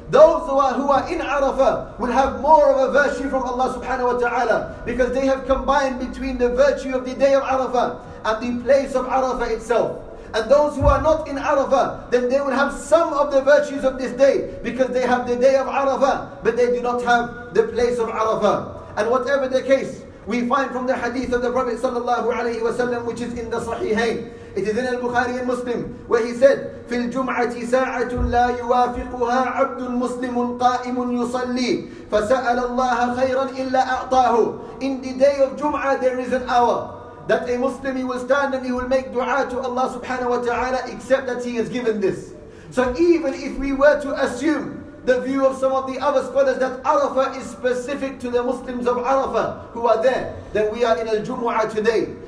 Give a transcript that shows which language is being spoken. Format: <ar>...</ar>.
<en>Those who are in Arafah will have more of a virtue from Allah subhanahu wa ta'ala, because they have combined between the virtue of the day of Arafah and the place of Arafah itself. And those who are not in Arafah, then they will have some of the virtues of this day, because they have the day of Arafah, but they do not have the place of Arafah. And whatever the case, we find from the hadith of the Prophet sallallahu alayhi wa sallam, which is in the Sahihain. It is in al-Bukhari and Muslim, where he said,</en> <ar>فِي الْجُمْعَةِ سَاعَةٌ لَا يُوَافِقُهَا عَبْدٌ مُسْلِمٌ قَائِمٌ يُصَلِّي فَسَأَلَ اللَّهَ خَيْرًا إِلَّا أَعْطَاهُ.</ar> <en>In the day of Jum'ah, there is an hour that a Muslim, he will stand and he will make dua to Allah subhanahu wa ta'ala, except that he has given this. So even if we were to assume the view of some of the other scholars that Arafah is specific to the Muslims of Arafah who are there, then we are in al-Jum'ah today.</en>